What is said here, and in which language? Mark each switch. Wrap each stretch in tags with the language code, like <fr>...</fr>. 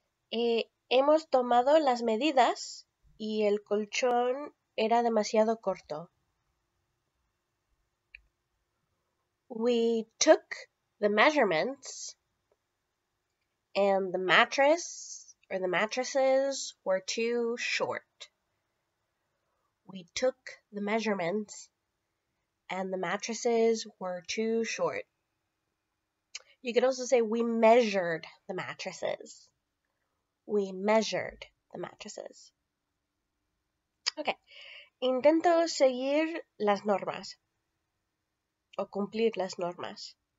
<es>Hemos tomado las medidas y el colchón era demasiado corto.</es> <en>We took the measurements and the mattress or the mattresses were too short. We took the measurements and the mattresses were too short. You could also say we measured the mattresses. We measured the mattresses. Okay.</en> <es>Intento seguir las normas o cumplir las normas.</es>